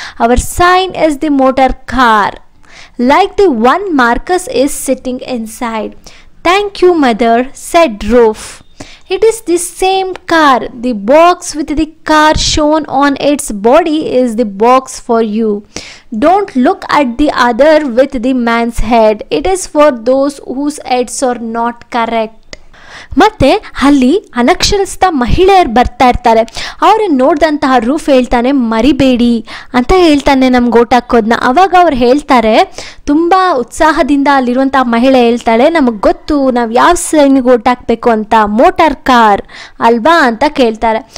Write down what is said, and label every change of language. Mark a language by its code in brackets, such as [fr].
[en] Our sign is the motor car like the one Marcus is sitting inside. Thank you, mother, said Roof. It is the same car. The box with the car shown on its body is the box for you. Don't look at the other with the man's head. It is for those whose heads are not correct. [kn] ಮತ್ತೆ ಅಲ್ಲಿ ಅನಕ್ಷರಸ್ಥ ಮಹಿಳೆಯರು ಬರ್ತಾ ಇರ್ತಾರೆ. ಅವರನ್ನು ನೋಡಿದಂತಹ roof ಹೇಳ್ತಾನೆ, ಮರಿಬೇಡಿ ಅಂತ ಹೇಳ್ತಾನೆ ನಮ್ಗೆ ಓಟ್ ಹಾಕೋದನ್ನ. ಅವಾಗ ಅವ್ರು ಹೇಳ್ತಾರೆ ತುಂಬ ಉತ್ಸಾಹದಿಂದ, ಅಲ್ಲಿರುವಂತಹ ಮಹಿಳೆ ಹೇಳ್ತಾಳೆ, ನಮಗೆ ಗೊತ್ತು ನಾವು ಯಾವ ಸೈನ್ಗೆ ಓಟ್ ಹಾಕ್ಬೇಕು ಅಂತ, ಮೋಟಾರ್ ಕಾರ್ ಅಲ್ವಾ ಅಂತ ಕೇಳ್ತಾರೆ.